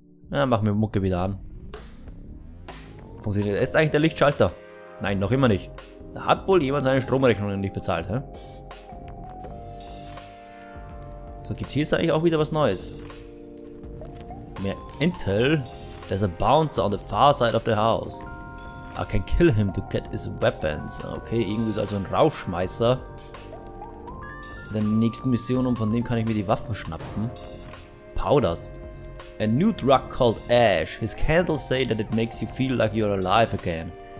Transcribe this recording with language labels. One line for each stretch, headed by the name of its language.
German: Ja, machen wir Mucke wieder an. Funktioniert. Ist eigentlich der Lichtschalter? Nein, noch immer nicht. Da hat wohl jemand seine Stromrechnung nicht bezahlt, hä? So, gibt hier jetzt eigentlich auch wieder was Neues. Mehr Intel.
English: There's a bouncer on the far side of the house. I can kill him to get his weapons.
German: Okay, irgendwie ist also ein Rauschmeißer. In der nächsten Mission, und von dem kann ich mir die Waffen schnappen.
English: Powders. A new drug called Ash. His candles say that it makes you feel like you're alive again.